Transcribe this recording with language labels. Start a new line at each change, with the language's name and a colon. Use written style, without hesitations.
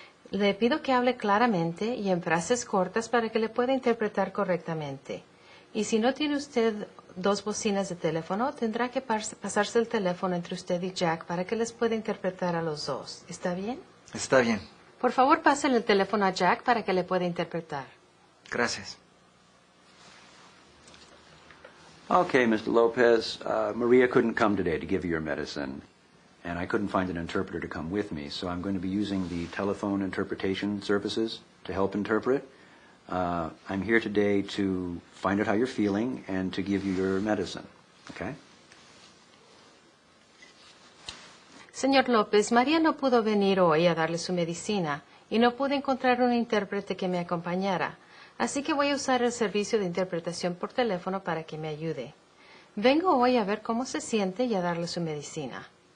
Spanish: Le pido que hable claramente y en frases cortas para que le pueda interpretar correctamente. Y si no tiene usted dos bocinas de teléfono, tendrá que pasarse el teléfono entre usted y Jack para que les pueda interpretar a los dos. ¿Está bien? Está bien. Por favor, pásenle el teléfono a Jack para que le pueda interpretar. Gracias.
English: Okay, Mr. Lopez, Maria couldn't come today to give you your medicine. And I couldn't find an interpreter to come with me, so I'm going to be using the telephone interpretation services to help interpret. I'm here today to find out how you're feeling and to give you your medicine, okay?
Spanish: Señor López, María no pudo venir hoy a darle su medicina y no pude encontrar un intérprete que me acompañara. Así que voy a usar el servicio de interpretación por teléfono para que me ayude. Vengo hoy a ver cómo se siente y a darle su medicina.